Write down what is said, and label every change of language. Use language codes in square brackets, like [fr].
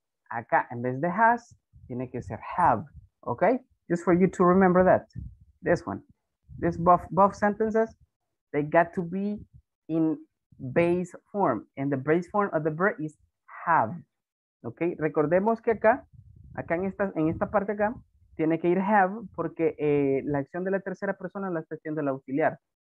[es] Acá, en vez de has, tiene que ser have. [en] Okay, just for you to remember that. This one. This both sentences, they got to be in base form. And the base form of the verb is have. [es] Okay, recordemos que acá en esta parte acá, tiene que ir have porque la acción de la tercera persona la está haciendo el auxiliar.